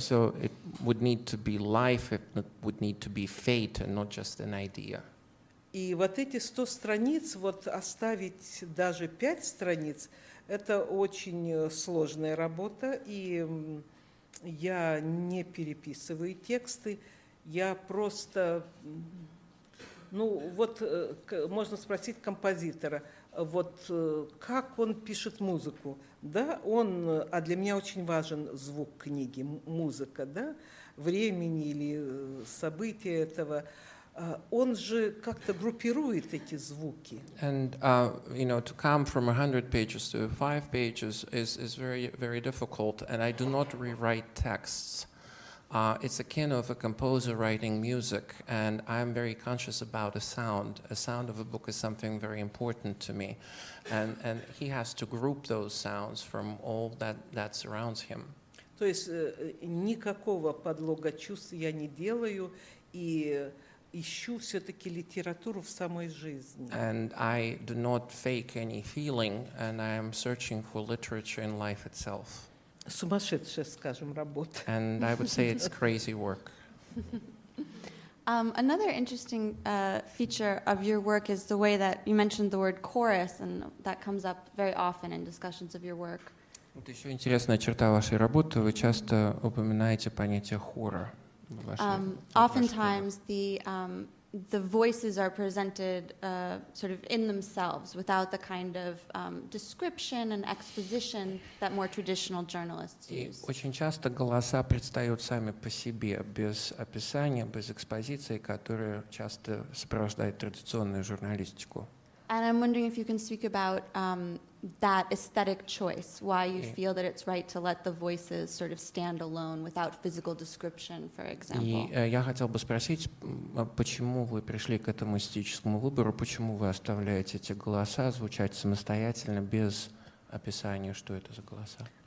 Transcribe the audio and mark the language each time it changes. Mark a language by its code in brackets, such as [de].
[en] So it would need to be life. It would need to be fate, and not just an idea. [ru] И вот эти 100 страниц, вот оставить даже 5 страниц, это очень сложная работа, и я не переписываю тексты, я просто, ну вот можно спросить композитора, вот как он пишет музыку, да, он, а для меня очень важен звук книги, музыка, да, времени или события этого. Он же как-то группирует эти звуки. [en] And you know, to come from 100 pages to 5 pages is very very difficult. And I do not rewrite texts. It's akin of a composer writing music, and I'm very conscious about a sound. A sound of a book is something very important to me, and he has to group those sounds from all that surrounds him. [ru] То есть никакого подлога чувств я не делаю и ищу все-таки литературу в самой жизни. [en] And I do not fake any feeling, and I am searching for literature in life itself. [ru] Сумасшедшая, скажем, работа. [en] And I would say it's crazy work. Another interesting feature of your work is the way that you mentioned the word chorus, and that comes up very often in discussions of your work. [ru] Вот еще интересная черта вашей работы. Вы часто упоминаете понятие хора. [en] Oftentimes the voices are presented sort of in themselves without the kind of description and exposition that more traditional journalists use. [ru] Очень часто голоса предстают сами по себе без описания, без экспозиции, которая часто сопровождает традиционную журналистику. [en] And I'm wondering if you can speak about that aesthetic choice, why you feel that it's right to let the voices sort of stand alone without physical description, for example. [ru] И я хотел бы спросить, почему вы пришли к этому эстетическому выбору, почему вы оставляете эти голоса звучать самостоятельно без описания, что это за голоса?